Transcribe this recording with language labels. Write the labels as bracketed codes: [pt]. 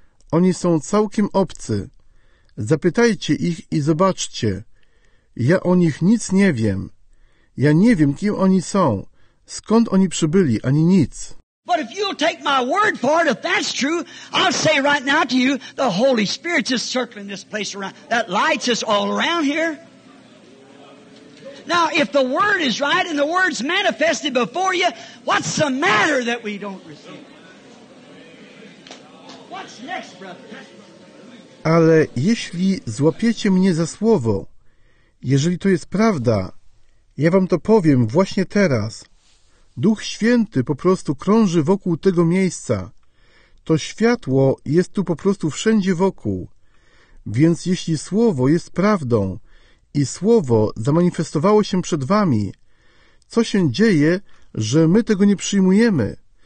[pl] Oni są całkiem obcy. Zapytajcie ich i zobaczcie. Ja o nich nic nie wiem. Ja nie wiem, kim oni są, skąd oni przybyli, ani nic. [en] But if you'll take my word for it, if that's true, I'll say right now to you, the Holy Spirit's just circling this place around. That light's just all around here. Now, if the word is right and the word's manifested before you, what's the matter that we don't receive? What's next, brother? [pl] Ale jeśli złapiecie mnie za słowo, jeżeli to jest prawda, ja wam to powiem właśnie teraz. Duch Święty po prostu krąży wokół tego miejsca. To światło jest tu po prostu wszędzie wokół. Więc jeśli słowo jest prawdą i słowo zamanifestowało się przed wami, co się dzieje, że my tego nie przyjmujemy?